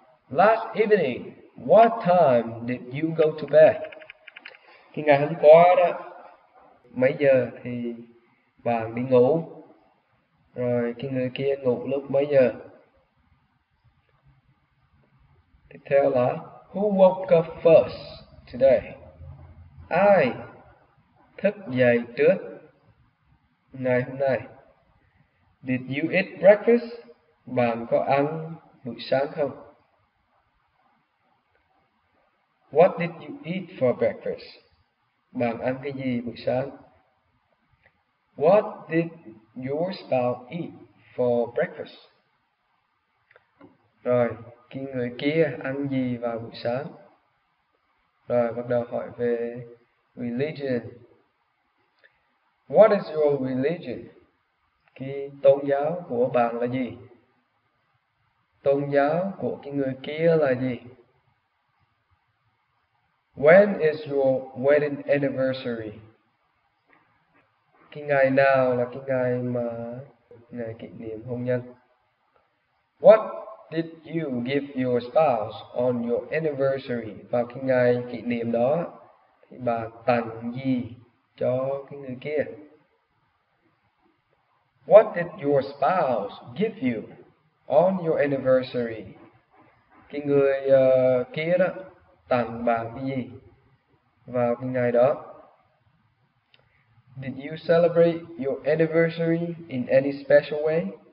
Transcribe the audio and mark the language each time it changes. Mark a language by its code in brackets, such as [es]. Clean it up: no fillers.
[en] Last evening, what time did you go to bed? [vi] Cái ngày hôm qua đó, mấy giờ thì bạn đi ngủ? Rồi, cái người kia ngủ lúc mấy giờ? Tiếp theo là, [en] who woke up first today? [vi] Ai thức dậy trước ngày hôm nay? [en] Did you eat breakfast? [vi] Bạn có ăn buổi sáng không? [en] What did you eat for breakfast? [vi] Bạn ăn cái gì buổi sáng? [en] What did your spouse eat for breakfast? [vi] Rồi, cái người kia ăn gì vào buổi sáng? Rồi, bắt đầu hỏi về religion. [en] What is your religion? [vi] Cái tôn giáo của bạn là gì? Tôn giáo của cái người kia là gì? [en] When is your wedding anniversary? [vi] Cái ngày nào là cái ngày mà ngày kỷ niệm hôn nhân? [en] What did you give your spouse on your anniversary? [vi] Vào cái ngày kỷ niệm đó thì bà tặng gì cho cái người kia? [en] What did your spouse give you on your anniversary? [vi] Cái người kia đó tặng bạn cái gì vào cái ngày đó? [en] Did you celebrate your anniversary in any special way?